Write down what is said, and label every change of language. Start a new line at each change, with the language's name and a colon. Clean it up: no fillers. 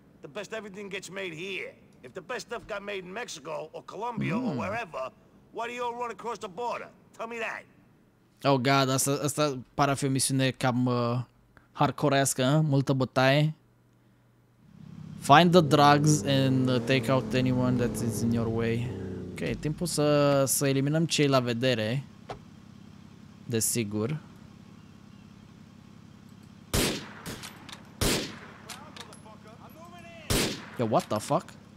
English: The best everything gets made here. If the best stuff got made in Mexico, or Colombia, or wherever, why do you all run across the border? Tell me that.
Romanian: Oh god, asta pare a fi o misiune cam... hardcore-ască, multă bătaie.
English: Find the drugs and take out anyone that is in your way.
Romanian: Ok, timpul să eliminăm cei la vedere. Desigur.
English: Yo, what the fuck?